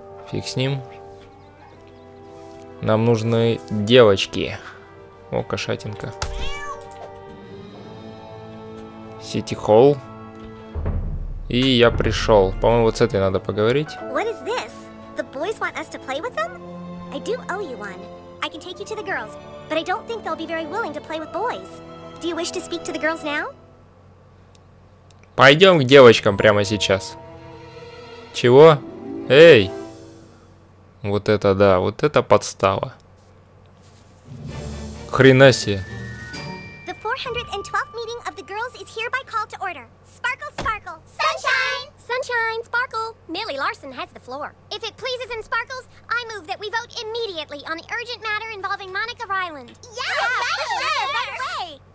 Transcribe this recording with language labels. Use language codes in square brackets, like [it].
[ru] Фиг с ним. Нам нужны девочки. О, кошатинка. Сити холл. И я пришел. По-моему, вот с этой надо поговорить. [en] What is this? The boys want us to play with them? I do owe you one. I can take you to the girls, but I don't think they'll be very willing to play with boys. Do you wish to speak to the girls now? [ru] Пойдем к девочкам прямо сейчас. Чего? Эй! Вот это да, вот это подстава. Хрена себе. [en] The 412th meeting of the girls is hereby called to order. Sparkle, sparkle. Sunshine! Sunshine, sparkle. Millie Larson has the floor. If it pleases and sparkles, I move that we vote immediately on the urgent matter involving Monica Ryland. Yeah, right away!